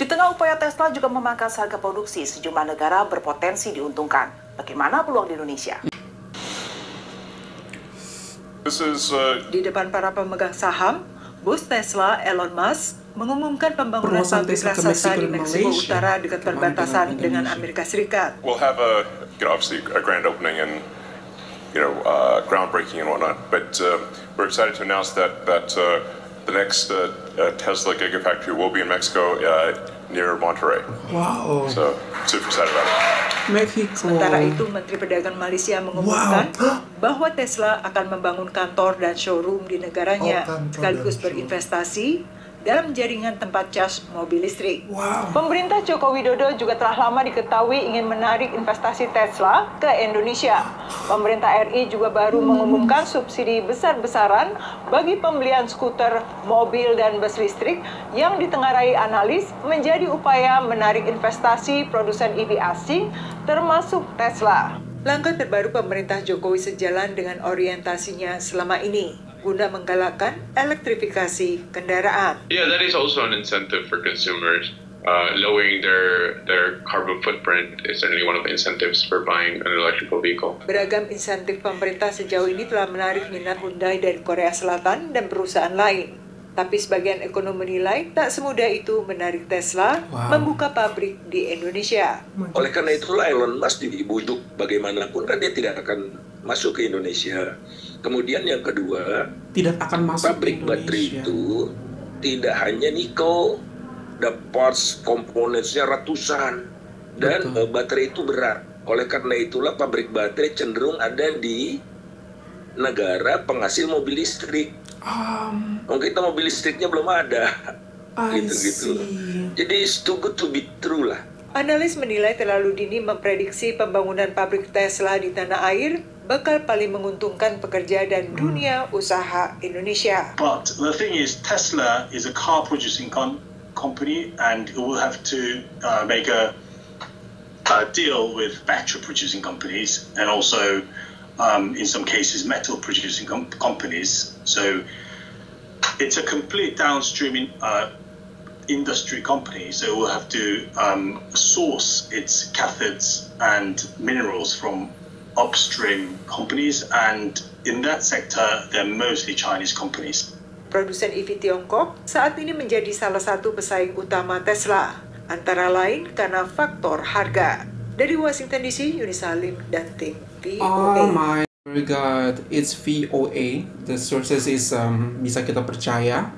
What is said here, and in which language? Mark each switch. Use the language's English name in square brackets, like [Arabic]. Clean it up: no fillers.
[Indonesian] Di tengah upaya Tesla juga memangkas harga produksi, sejumlah negara berpotensi diuntungkan. Bagaimana peluang di Indonesia? Di depan para pemegang saham, bos Tesla, Elon Musk, mengumumkan pembangunan pabrik raksasa di Meksiko Utara dekat perbatasan dengan Amerika Serikat. [English] We'll have a grand opening and groundbreaking and whatnot, but we're excited to announce that the next Tesla Gigafactory will be in Mexico near Monterrey. Wow. So super excited about it. Mexico. [Indonesian] Sementara itu, Menteri Perdagangan Malaysia mengumumkan bahwa Tesla akan membangun kantor dan showroom di negaranya sekaligus berinvestasi dalam jaringan tempat cas mobil listrik. [English] Wow. [Indonesian] Pemerintah Joko Widodo juga telah lama diketahui ingin menarik investasi Tesla ke Indonesia. Pemerintah RI juga baru mengumumkan subsidi besar-besaran bagi pembelian skuter, mobil, dan bus listrik yang ditengarai analis menjadi upaya menarik investasi produsen EV asing termasuk Tesla. Langkah terbaru pemerintah Jokowi sejalan dengan orientasinya selama ini guna menggalakkan elektrifikasi kendaraan. [English] Yeah, that is also an incentive for consumers. Lowering their carbon footprint is certainly one of the incentives for buying an electrical vehicle. [Indonesian] Beragam insentif pemerintah sejauh ini telah menarik minat Hyundai dari Korea Selatan dan perusahaan lain. Tapi sebagian ekonom menilai tak semudah itu menarik Tesla membuka pabrik di Indonesia. Oleh karena itulah Elon Musk dibujuk bagaimanapun kan dia tidak akan masuk ke Indonesia. Kemudian yang kedua, tidak akan masuk pabrik baterai itu tidak hanya nikel, the parts komponennya ratusan dan baterai itu berat. Oleh karena itulah pabrik baterai cenderung ada di negara penghasil mobil listrik. Kita mobil listriknya belum ada. Gitu-gitu. [English] Jadi it's too good to be true lah. [Indonesian] Analis menilai terlalu dini memprediksi pembangunan pabrik Tesla di tanah air bakal paling menguntungkan pekerja dan dunia usaha Indonesia. [English] But the thing is, Tesla is a car producing company, and it will have to make a deal with battery producing companies and also in some cases metal producing companies. So it's a complete downstreaming industry company, so it will have to source its cathodes and minerals from upstream companies, and in that sector they're mostly Chinese companies. [Indonesian] Produsen EV Tiongkok saat ini menjadi salah satu pesaing utama Tesla, antara lain karena faktor harga. Dari Washington DC, Yuni Salim dan tim VOA. [English] Oh my God, it's VOA. The sources is [Indonesian] bisa kita percaya.